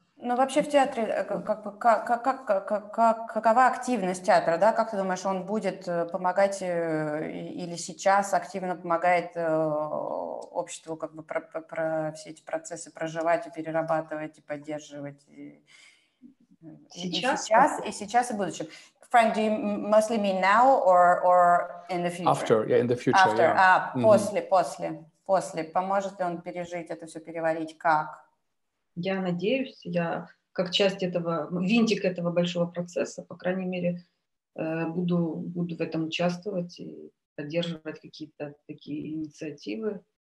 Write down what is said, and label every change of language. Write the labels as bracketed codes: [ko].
[ru] Ну, вообще в театре какова активность театра, да? Как ты думаешь, он будет помогать или сейчас активно помогает обществу как бы про все эти процессы проживать и перерабатывать и поддерживать? Сейчас? И сейчас, и в будущем. [en] Frank, do you mostly mean now or in the future? After, yeah, in the future. After, yeah. [ru] Mm-hmm. После. Поможет ли он пережить это все, переварить как? Я надеюсь, я как часть этого, винтик этого большого процесса, по крайней мере, буду в этом участвовать и поддерживать какие-то такие инициативы.